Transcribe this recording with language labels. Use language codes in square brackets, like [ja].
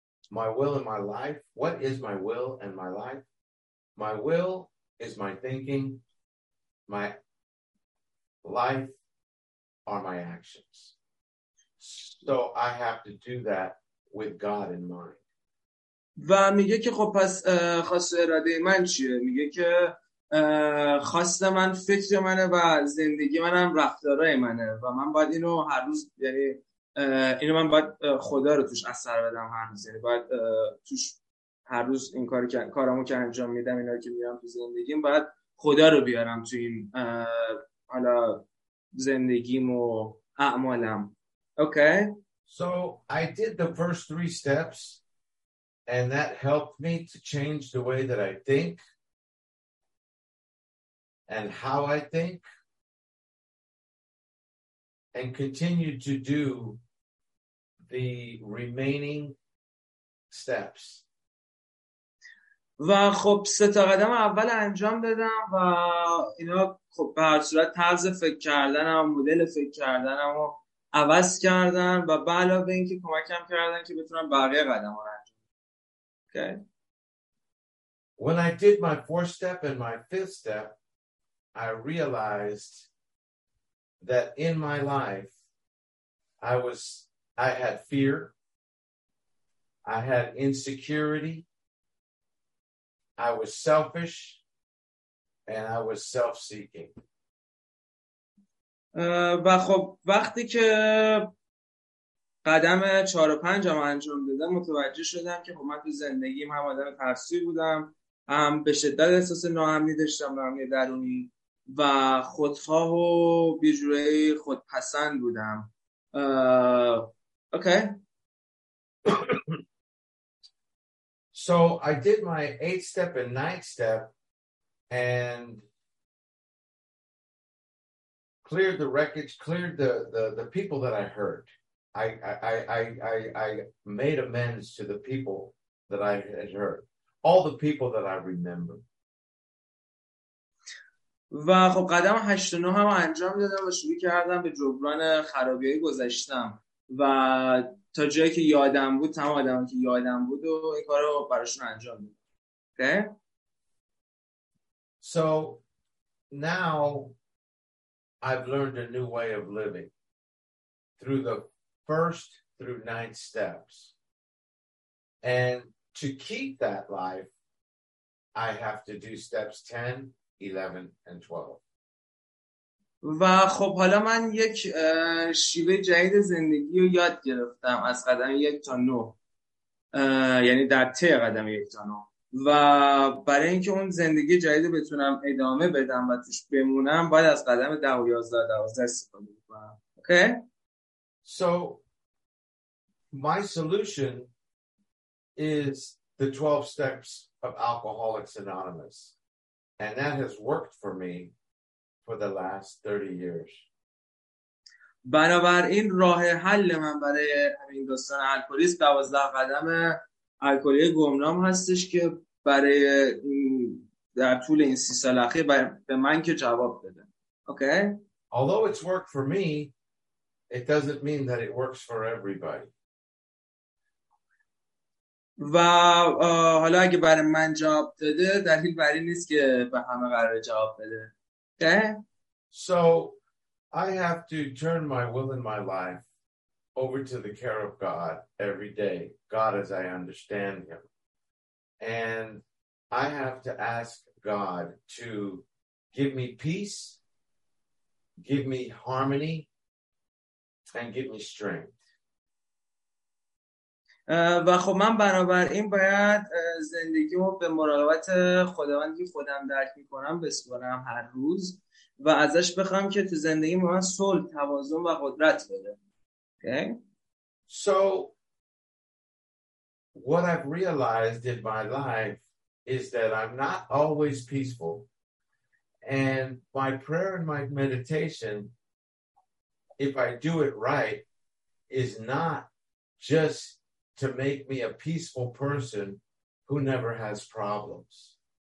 [en] My will and my life. What is my will and my life? My will is my thinking. My life are my actions. So I have to do that with God in mind. [fa] و میگه که خب پس خواست اراده من چیه؟ میگه که خواست من فکر منه و زندگی منم رفتارای منه و من باید اینو هر روز، یعنی اینو من باید خدا رو توش اثر بدم هر روز، یعنی باید توش هر روز این کارامو که انجام میدم، اینا که میام تو زندگیم، باید خدا رو بیارم تو این حالا زندگیم و اعمالم. [en] Okay. So I did the first three steps. And that helped me to change the way that I think and how I think and continue to do the remaining steps. [fa] و خب سه تا قدم اول انجام دادم و اینا خب به هر صورت طرز فکر کردنم و مدل فکر کردنم رو عوض کردن و به علاوه اینکه کمکم کردن که بتونم بقیه قدم‌ها رو. [en] When I did my fourth step and my fifth step, I realized that in my life, I had fear, I had insecurity, I was selfish, and I was self-seeking. [fa] و خب وقتی که قدم 4 و 5 هم انجام دادم متوجه شدم که من تو زندگیم هم آدم ترسوی بودم، هم به شدت احساس ناامنی داشتم، ناامنی درونی و خودخواه و بیجوری خودپسند بودم. [en] Okay. So I did my 8th step and 9th step and cleared the wreckage, cleared the people that I hurt. I made amends to the people that I had hurt, all the people that I remember. [fa] و خب قدم 8 و 9 هم انجام دادم و شروع کردم به جبران خرابی‌های گذشتم و تا جایی که یادم بود تمام آدمایی که یادم بود و این کارو براشون انجام دادم. [en] Okay. So now I've learned a new way of living through the first through 9 steps. And to keep that life, I have to do steps 10, 11, and 12. [fa] و خب حالا من یک شیوه جدید زندگی رو یاد گرفتم از قدم 1 تا 9. یعنی در ته قدم 1 تا 9. و برای اینکه اون زندگی جدید بتونم ادامه بدم و توش بمونم، باید از قدم 10 و 11 12 استفاده کنم. [en] Okay? So my solution is the 12 steps of Alcoholics Anonymous, and that has worked for me for the last 30 years. [fa] بنابراین راه حل من برای همین دوستان الکلیست 12 قدم الکلی گمنام هستش که برای در طول این 30 سال اخیر به من که جواب داده. [en] Okay. Although it's worked for me, it doesn't mean that it works for everybody. [fa] و حالا اگه برای من جواب داده دلیل بر این نیست که به همه قرار جواب بده. [en] Okay. So I have to turn my will and my life over to the care of God every day, God as I understand him. And I have to ask God to give me peace, give me harmony, and give me strength. [fa] و خب من بنابراین باید زندگیمو به مراقبت خداوندی خودم درک میکنم بسپارم هر روز و ازش بخوام که تو زندگی من صلح، توازن و قدرت بده. [en] Okay? So what I've realized in my life is that I'm not always peaceful, and my prayer and my meditation, if I do it right, is not just to make me a peaceful person who never has problems.